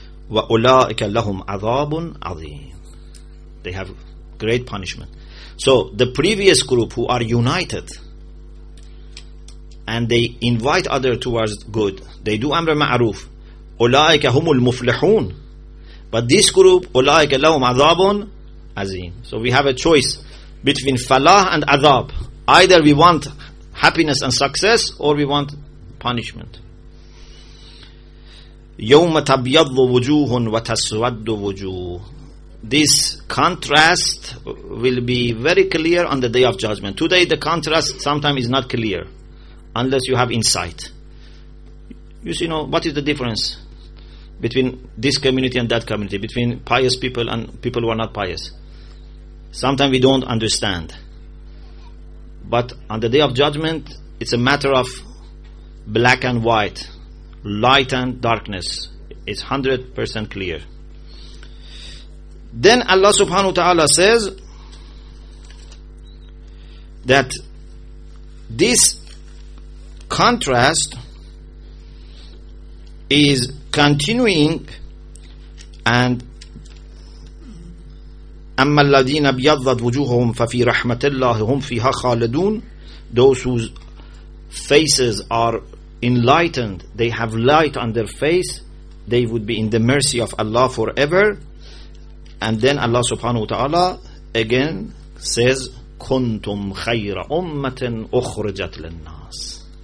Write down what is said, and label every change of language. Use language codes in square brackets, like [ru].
[ar] وَأُولَٰئِكَ لَهُمْ عَذَابٌ عَظِيمٌ. [en] They have great punishment. So the previous group who are united and they invite other towards good, they do Amr Ma'ruf, [ar] أُولَٰئِكَ هُمُ الْمُفْلِحُونَ. [en] But this group, [ar] أُولَٰئِكَ لَهُمْ عَذَابٌ عَظِيمٌ. [en] So we have a choice between falah and azab. Either we want happiness and success or we want punishment. [ar] يَوْمَ تَبْيَضُ وُجُوهٌ وَتَسْوَدُ وُجُوهٌ. [en] This contrast will be very clear on the Day of Judgment. Today the contrast sometimes is not clear unless you have insight. You see, you know, what is the difference between this community and that community, between pious people and people who are not pious? Sometimes we don't understand. But on the Day of Judgment, it's a matter of black and white, light and darkness. It's 100% clear. Then Allah subhanahu wa ta'ala says that this contrast is continuing and [ar] أما الذين بيضت وجوههم ففي رحمة الله هم فيها خالدون. [en] Those whose faces are enlightened, they have light on their face, they would be in the mercy of Allah forever. And then Allah subhanahu wa ta'ala again says, [ar] كنتم خير أمة أخرجت للناس.